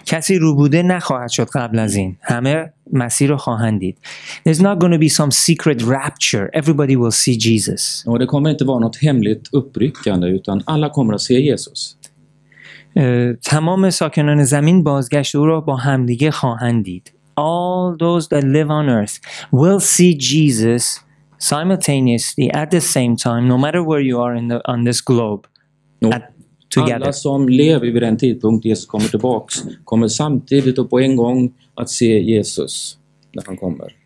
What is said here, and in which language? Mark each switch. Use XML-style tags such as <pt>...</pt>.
<fa>کسی روبوده نخواهد شد قبل از این. همه مسیر رو خواهند دید.</fa> <en>There's not going to be some secret rapture. Everybody will see Jesus.</en> <sv>Och det kommer inte vara något hemligt uppryckande, utan alla kommer att se Jesus.</sv> <fa>تمام ساکنان زمین بازگشت او را با همدیگه خواهند دید.</fa> <en>All those that live on earth will see Jesus simultaneously at the same time, no matter where you are on this globe.</en> <sv>Alla som lever vid den tidpunkt Jesus kommer tillbaks kommer samtidigt och på en gång att se Jesus när han kommer.</sv>